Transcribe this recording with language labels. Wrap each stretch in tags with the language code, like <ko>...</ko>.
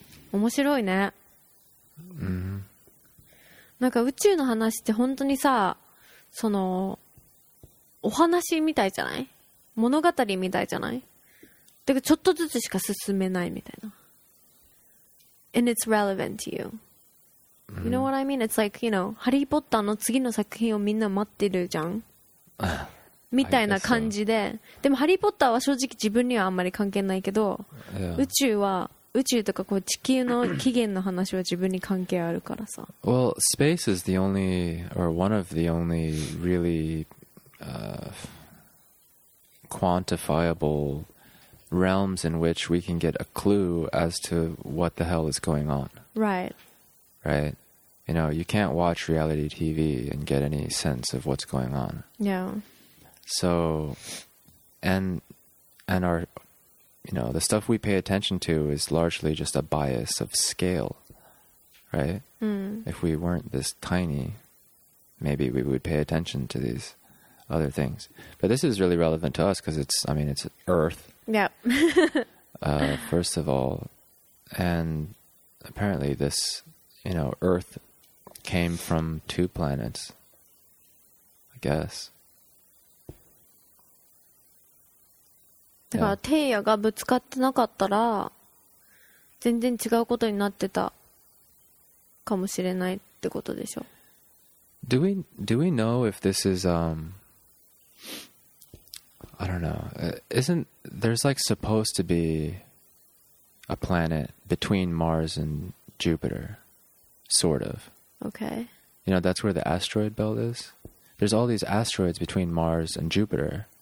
<ja>面白いね、うん、なんか宇宙の話って本当にさ、そのお話みたいじゃない、物語みたいじゃない、だからちょっとずつしか進めないみたいな。</ja> <en>And it's relevant to youYou know what I mean? It's like, you know,</en> <ja>ハリーポッターの次の作品をみんな待ってるじゃんみたいな感じで、でもハリーポッターは正直自分にはあんまり関係ないけど、</ja> <en>yeah.</en> <ja>宇宙は、宇宙とかこう地球の起源の話は自分に関係あるからさ。</ja> <en>Well, space is the only, or one of the only really quantifiable realms in which we can get a clue as to what the hell is going on. Right. You know, you can't watch reality TV and get any sense of what's going on. Yeah. So, and our, you know, the stuff we pay attention to is largely just a bias of scale, right? Mm. If we weren't this tiny, maybe we would pay attention to these other things. But this is really relevant to us because it's, I mean, it's Earth. Yeah. first of all, and apparently this... You know, Earth came from two planets, I guess.</en> <ja>だから、テイヤがぶつかってなかったら、全然違うことになってたかもしれないってことでしょ。</ja> <en>Do we know if this is, I don't know. Isn't, there's like supposed to be a planet between Mars and Jupiter. Sort of. Okay. You know, that's where the asteroid belt is. There's all these asteroids between Mars and Jupiter.</en>